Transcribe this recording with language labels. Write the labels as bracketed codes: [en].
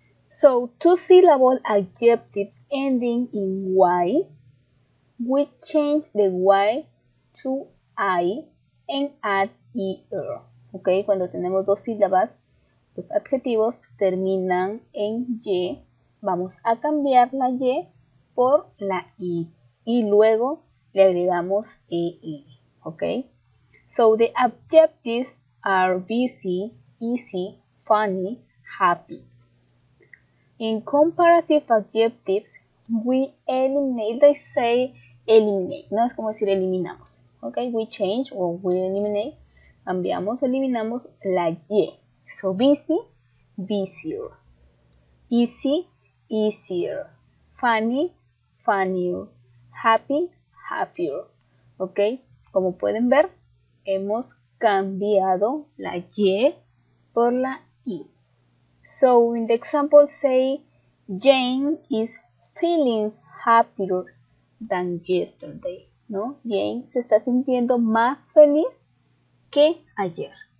[en] So, two-syllable adjectives ending in Y, we change the Y to I and add ER. ¿Ok? [es] Cuando tenemos dos sílabas, los adjetivos terminan en Y. Vamos a cambiar la Y por la I. Y luego le agregamos ER. ¿Ok? [en] So, the adjectives are busy, easy, funny, happy. In comparative adjectives, we eliminate, they say eliminate, [es] no es como decir eliminamos, [en] ok, we change or we eliminate, [es] cambiamos, eliminamos la Y, [en] so busy, busier, easy, easier, funny, funnier, happy, happier, ok, [es] como pueden ver, hemos cambiado la Y por la I. [en] So, in the example, say, Jane is feeling happier than yesterday, ¿no? [es] Jane se está sintiendo más feliz que ayer.